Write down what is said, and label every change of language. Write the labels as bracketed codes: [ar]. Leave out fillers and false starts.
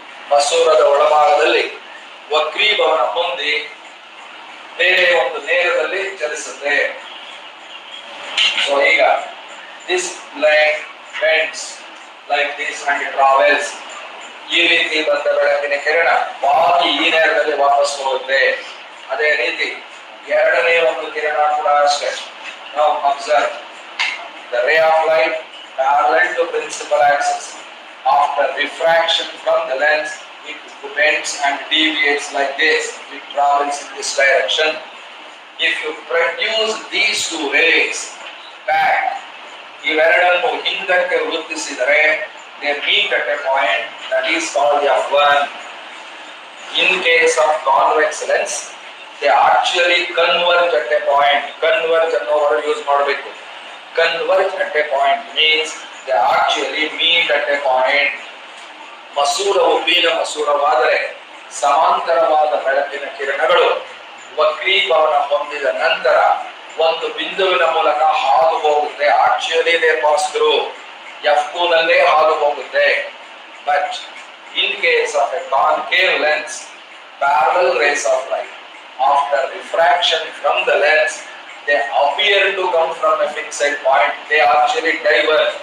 [kn] ಮಸೂರದ ಒಳಭಾಗದಲ್ಲಿ ವಕ್ರೀಭವನ ಹೊಂದಿ ಬೇರೆ ಒಂದು ನೇರದಲ್ಲಿ ಚಲಿಸುತ್ತೆ. [en] ಈಗ this light bends like this and travels. [kn] ಈ ರೀತಿ ಬಂದ ಬೆಳಕಿನ ಕಿರಣ ಬಾಕಿ ಈ ನೇರದಲ್ಲಿ ವಾಪಸ್ ಹೋಗುತ್ತೆ. ಅದೇ ರೀತಿ ಎರಡನೇ ಒಂದು ಕಿರಣ ಕೂಡ ಅಷ್ಟೇ. [en] ನಾವು observe the ray of light parallel to principal axis after refraction from the lens it bends and deviates like this, it travels in this direction. If you produce these two rays back, [kn] ivaradannu hindakke vruttisidare [en] they meet at a point that is called F1. In case of convex lens they actually converge at a point. [kn] Converge anno word use madbeku. [en] Converge at a point means they actually meet at a point. [kn] ಮಸೂರವು bean ಮಸೂರವಾದರೆ ಸಮಾಂತರವಾದ ಬೆಳಕಿನ ಕಿರಣಗಳು ವಕ್ರೀಭವನ ಹೊಂದಿದ ನಂತರ ಒಂದು ಬಿಂದುವಿನ ಮೂಲಕ ಹಾದು ಹೋಗುತ್ತೆ. [en] actually they pass through F two [kn] ನಲ್ಲೇ ಹಾದು ಹೋಗುತ್ತೆ. [en] But in case of a concave lens parallel rays of light after refraction from the lens they appear to come from a fixed point they actually diverge.